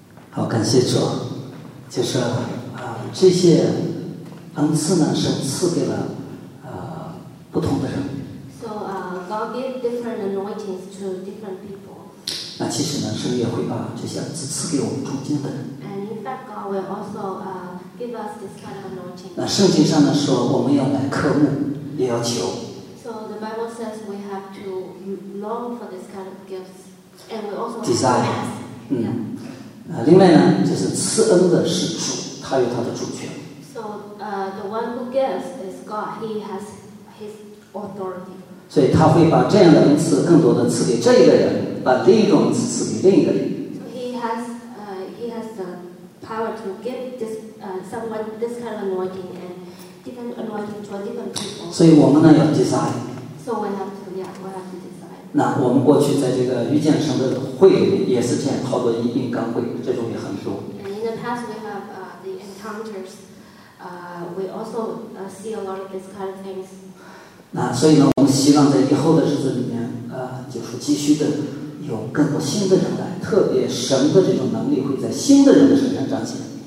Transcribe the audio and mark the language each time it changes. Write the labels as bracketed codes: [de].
[zh] 好，感谢主，就是这些恩赐呢，神赐给了不同的人。 [en] So God gave different anointings to different people. [zh] 那其实呢，神也会把这些恩赐赐给我们中间的人。 [en] And in fact, God will also give us this kind of anointing. [zh] 那圣经上呢说，我们要来渴慕，也要求。 [en] So the Bible says we have to long for this kind of gifts, and we also desire. [zh] 嗯。 [en] Yeah. [zh] 另外呢，就是赐恩的是主，他有他的主权。 [en] The one who gives is God. He has his authority. [zh] 所以他会把这样的恩赐更多的赐给这一个人，把另一种恩赐赐给另一个人。 [en] So he has the power to give this someone this kind of anointing and different anointing to a different people. [zh] 所以我们呢要 [en] decide. So we have to decide. [zh] 那我们过去在这个遇见神的会里面也是这样，好多硬刚会，这种也很多。 [en] And in the past we have the encounters. We also see a lot of these kind of things. [zh] 那所以呢，我们希望在以后的日子里面，就是继续的有更多新的人来，特别神的这种能力会在新的人的身上彰显。